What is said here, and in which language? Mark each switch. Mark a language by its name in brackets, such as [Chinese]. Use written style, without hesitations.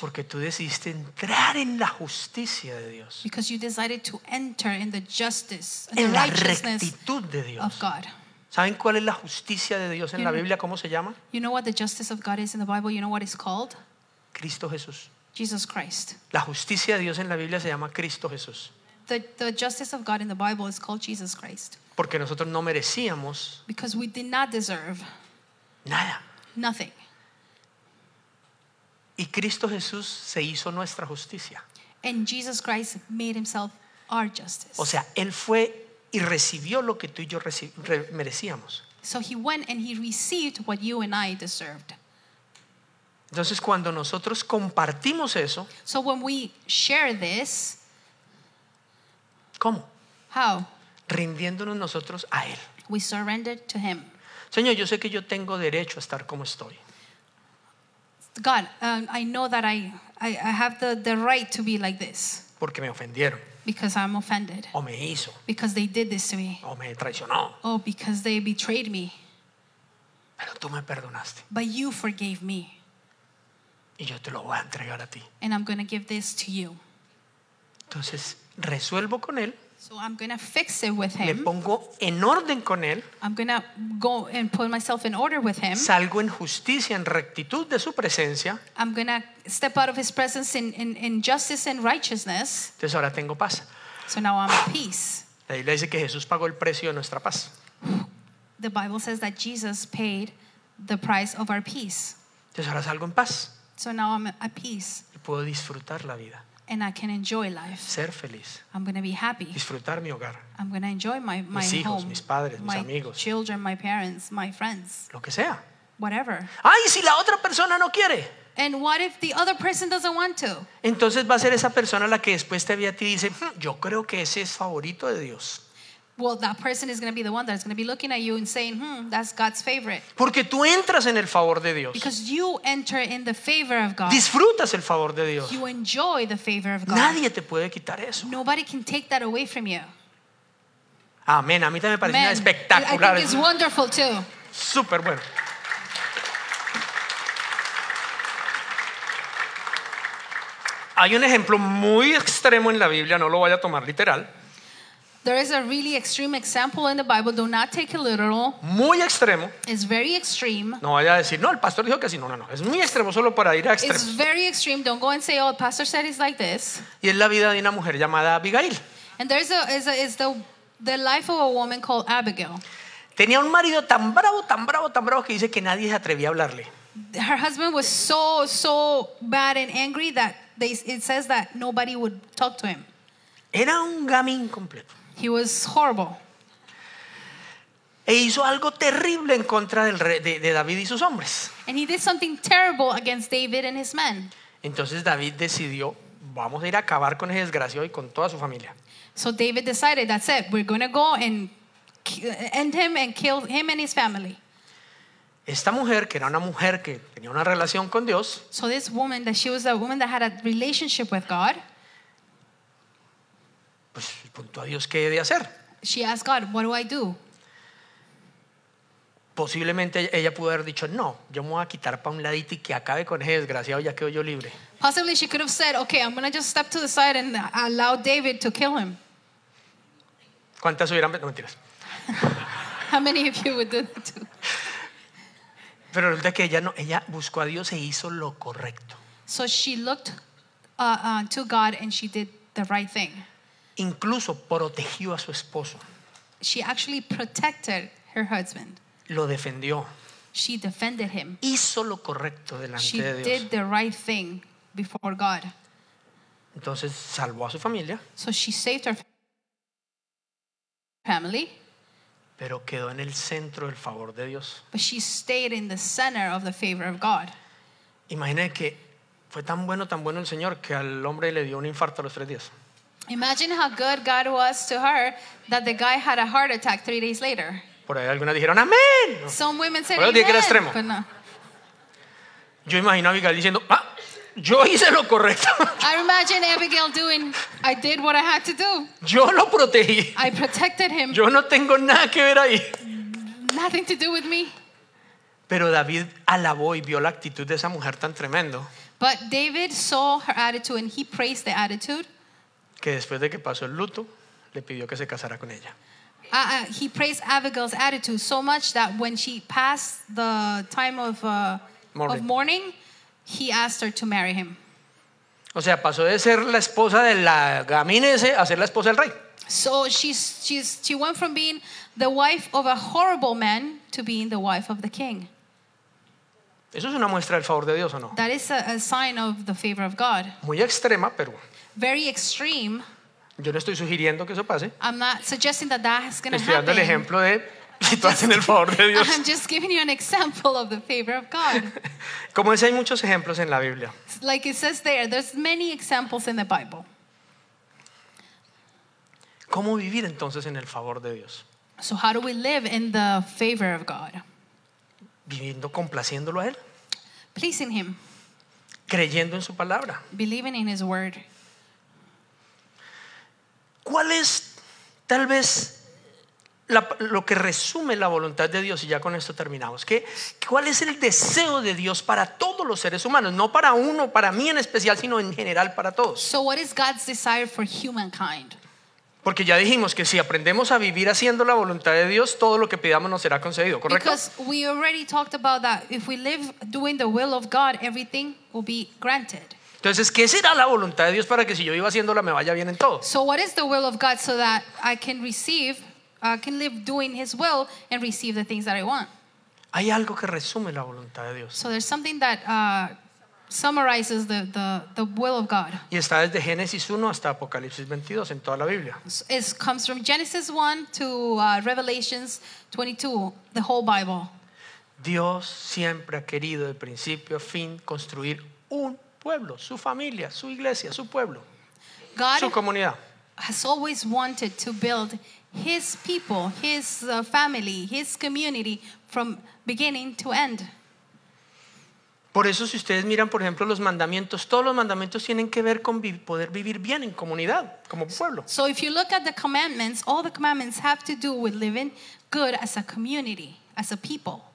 [Spanish] Porque tú decidiste entrar en la justicia de Dios. [English] Because you decided to enter in the justice, [Spanish] en [English] the righteousness, [Spanish] la rectitud de Dios. [English] Of God. [Spanish] ¿Saben cuál es la justicia de Dios en la Biblia? ¿Cómo se llama? [English] You know what the justice of God is in the Bible? You know what it's called? [Spanish] Cristo Jesús. [English] Jesus Christ. [Spanish] La justicia de Dios en la Biblia se llama Cristo Jesús. [English] The justice of God in the Bible is called Jesus Christ. [Spanish] Porque nosotros no merecíamos. [English] Because we did not deserve. [Spanish] Nada. [English] Nothing. [Spanish] Y Cristo Jesús se hizo nuestra justicia. [English] And Jesus Christ made himself our justice. [Spanish] O sea, él fue y recibió lo que tú y yo merecíamos. [English] So he went and he received what you and I deserved. [Spanish] Entonces cuando nosotros compartimos eso, [English] so when we share this, [Spanish] ¿cómo? [English] How? [Spanish] Rindiéndonos nosotros a él. [English] We surrendered to him. [Spanish] Señor, yo sé que yo tengo derecho a estar como estoy. [English] God, I know that I have the right to be like this. [Spanish] Porque me ofendieron. [English] Because I'm offended. [Spanish] O me hizo. [English] Because they did this to me. [Spanish] O me traicionó. [English] Oh, because they betrayed me. [Spanish] Pero tú me perdonaste. [English] But you forgave me. [Spanish] Y yo te lo voy a entregar a ti. [English] And I'm going to give this to you. [Spanish] Entonces, resuelvo con él. [English] So I'm going to fix it with him. [Spanish] Me pongo en orden con él. [English] I'm going to go and put myself in order with him. [Spanish] Salgo en justicia, en rectitud de su presencia. [English] I'm going to step out of his presence in justice and righteousness. [Spanish] Entonces ahora tengo paz. [English] So now I'm at peace. [Spanish] La Biblia dice que Jesús pagó el precio de nuestra paz. [English] The Bible says that Jesus paid the price of our peace. [Spanish] Entonces ahora salgo en paz. [English] So now I'm at peace. [Spanish] Y puedo disfrutar la vida. [English] And I can enjoy life. [Spanish] Ser feliz. [English] I'm going to be happy. [Spanish] Disfrutar mi hogar. [English] I'm going to enjoy my [Spanish] mis hijos, [English] home. [Spanish] Mis padres, mis amigos. [English] My children, my parents, my friends. [Spanish] Lo que sea. [English] Whatever. [Spanish] Ay, si la otra persona no quiere. [English] And what if the other person doesn't want to? [Spanish] Entonces va a ser esa persona la que después te ve a ti y dice, yo creo que ese es favorito de Dios. [English] Well, that person is going to be the one that's going to be looking at you and saying, that's God's favorite. [Spanish] Porque tú entras en el favor de Dios. [English] Because you enter in the favor of God. [Spanish] Disfrutas el favor de Dios. [English] You enjoy the favor of God. [Spanish] Nadie te puede quitar eso. [English] Nobody can take that away from you. [Spanish] Amén. A mí también me parece espectacular. [English] I think it's wonderful too. [Spanish] Súper bueno. Hay un ejemplo muy extremo en la Biblia, no lo vaya a tomar literal. [English] There is a really extreme example in the Bible. Do not take it literal. [Spanish] Muy extremo. [English] It's very extreme. [Spanish] No vaya a decir, no, el pastor dijo que así. No. Es muy extremo, solo para ir a extremo. [English] It's very extreme. Don't go and say, oh, the pastor said it's like this. [Spanish] Y es la vida de una mujer llamada Abigail. [English] And there is the life of a woman called Abigail. [Spanish] Tenía un marido tan bravo, tan bravo, tan bravo, que dice que nadie se atrevía a hablarle. [English] Her husband was so, so bad and angry that it says that nobody would talk to him. [Spanish] Era un gamín completo. [English] He was horrible. [Spanish] E hizo algo terrible en contra del rey, de David y sus hombres. [English] And he did something terrible against David and his men. [Spanish] Entonces David decidió, vamos a ir a acabar con ese desgraciado y con toda su familia. [English] So David decided, that's it, we're going to go and end him and kill him and his family. [Spanish] Esta mujer, que era una mujer que tenía una relación con Dios. [English] So this woman, that she was a woman that had a relationship with God. [Spanish] Pues preguntó a Dios qué debe hacer. [English] She asked God, what do I do? [Spanish] Posiblemente ella pudo haber dicho, no, yo me voy a quitar para un ladito y que acabe con ese desgraciado, ya quedo yo libre. [English] Possibly she could have said, okay, I'm going to just step to the side and allow David to kill him. [Spanish] ¿Cuántas hubieran? No, mentiras. [English] How many of you would do that too? [Spanish] Pero resulta que ella buscó a Dios e hizo lo correcto. [English] So she looked to God and she did the right thing. [Spanish] Incluso protegió a su esposo. [English] She actually protected her husband. [Spanish] Lo defendió. [English] She defended him. [Spanish] Hizo lo correcto delante [English] she [Spanish] de Dios. [English] She did the right thing before God. [Spanish] Entonces salvó a su familia. [English] So she saved her family. [Spanish] Pero quedó en el centro del favor de Dios. [English] But she stayed in the center of the favor of God. [Spanish] Imagine que fue tan bueno el Señor que al hombre le dio un infarto a los 3 días. [English] Imagine how good God was to her that the guy had a heart attack 3 days later. [Spanish] Por ahí algunas dijeron, amén. [English] Some women said, [Spanish] pero [English] amen. [Spanish] Dije que era extremo. [English] But no. [Spanish] Yo imagino a Abigail diciendo, ah, yo hice lo correcto. [English] I imagine Abigail doing, I did what I had to do. [Spanish] Yo lo protegí. [English] I protected him. [Spanish] Yo no tengo nada que ver ahí. [English] Nothing to do with me. [Spanish] Pero David alabó y vio la actitud de esa mujer tan tremendo. [English] But David saw her attitude and he praised the attitude. [Spanish] Que después de que pasó el luto, le pidió que se casara con ella. [English] He praised Abigail's attitude so much that when she passed the time of mourning, he asked her to marry him. [Spanish] O sea, pasó de ser la esposa de la gamín ese a ser la esposa del rey. [English] So she went from being the wife of a horrible man to being the wife of the king. [Spanish] Eso es una muestra del favor de Dios, ¿o no? [English] That is a sign of the favor of God. [Spanish] Muy extrema, pero... [English] Very extreme. [Spanish] Yo no estoy sugiriendo que eso pase. [English] I'm not suggesting that is going to happen. [Spanish] Estoy dando el ejemplo de si tú haces el favor de Dios. [English] I'm just giving you an example of the favor of God. [Spanish] Como dice, hay muchos ejemplos en la Biblia. [English] Like it says there, there's many examples in the Bible. [Spanish] ¿Cómo vivir entonces en el favor de Dios? [English] So how do we live in the favor of God? [Spanish] Viviendo complaciéndolo a él. [English] Pleasing him. [Spanish] Creyendo en su palabra. [English] Believing in his word. [Spanish] ¿Cuál es tal vez lo que resume la voluntad de Dios? Y ya con esto terminamos. ¿Cuál es el deseo de Dios para todos los seres humanos? No para uno, para mí en especial, sino en general para todos. [English] So what is God's desire for humankind? [Spanish] Porque ya dijimos que si aprendemos a vivir haciendo la voluntad de Dios, todo lo que pidamos nos será concedido, ¿correcto? [English] Because we already talked about that. If we live doing the will of God, everything will be granted. [Spanish] Entonces, ¿qué será la voluntad de Dios para que si yo vivo haciéndola me vaya bien en todo? [English] So what is the will of God so that I can receive, can live doing his will and receive the things that I want? [Spanish] Hay algo que resume la voluntad de Dios. [English] So there's something that summarizes the will of God. [Spanish] Y está desde Génesis 1 hasta Apocalipsis 22 en toda la Biblia. [English] It comes from Genesis 1 to Revelations 22, the whole Bible. [Spanish] Dios siempre ha querido de principio a fin construir un pueblo, su familia, su iglesia, su pueblo, [English] God [Spanish] su comunidad. [English] Has always wanted to build his people, his family, his community from beginning to end. [Spanish] Por eso, si ustedes miran, por ejemplo, los mandamientos, todos los mandamientos tienen que ver con poder vivir bien en comunidad, como pueblo. [English] So if you look at the commandments, all the commandments have to do with living good as a community, as a people.